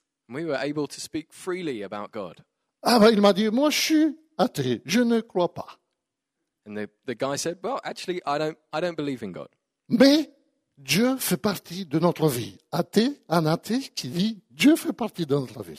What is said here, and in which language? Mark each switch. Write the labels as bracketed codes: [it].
[en] We were able to speak freely about God. [fr] Ah ben, il m'a dit, moi, je suis athée, je ne crois pas. [en] And the guy said, well, actually, I don't believe in God. [fr] Mais Dieu fait partie de notre vie. Athée, un athée qui dit, Dieu fait partie de notre vie.